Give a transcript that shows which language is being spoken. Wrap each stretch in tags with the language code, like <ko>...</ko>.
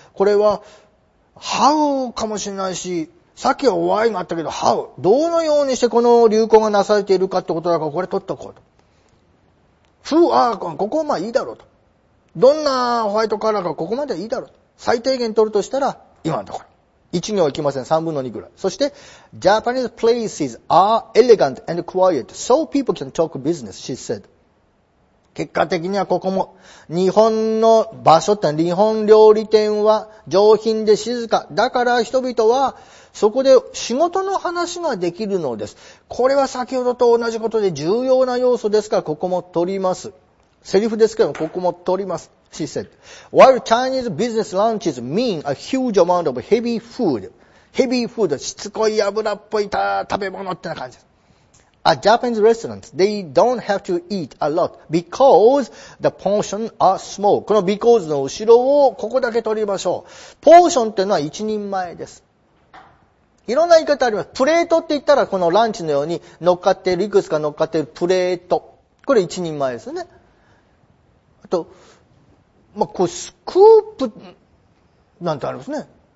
<ja>これは、how かもしれないし、さっきは why があったけど、how。どのようにしてこの流行がなされているかってことだから、これ取っとこうと。</ja> <en>who are、</en> <ja>ここはまあいいだろうと。どんなホワイトカラーかここまではいいだろう。最低限取るとしたら、今のところ。 1行いきません。3分の2ぐらい。そして、</ja> <en>Japanese places are elegant and quiet, so people can talk business, she said.</en> <ja>結果的にはここも、日本の場所って、日本料理店は上品で静か。だから人々は、そこで仕事の話ができるのです。これは先ほどと同じことで重要な要素ですから、ここも取ります。セリフですけども、ここも取ります。</ja> <en>She said. While Chinese business lunches mean a huge amount of heavy food. Heavy food,</en> <ja>しつこい油っぽい食べ物ってな感じです。</ja> <en>At Japanese restaurants, they don't have to eat a lot because the portions are small.</en> <ja>この because の後ろをここだけ取りましょう。ポーションってのは一人前です。いろんな言い方あります。プレートって言ったら、このランチのように乗っかっている、いくつか乗っかっているプレート。これ一人前ですね。あと、まあ、こう、スクープ、なんてあるんですね。</ja>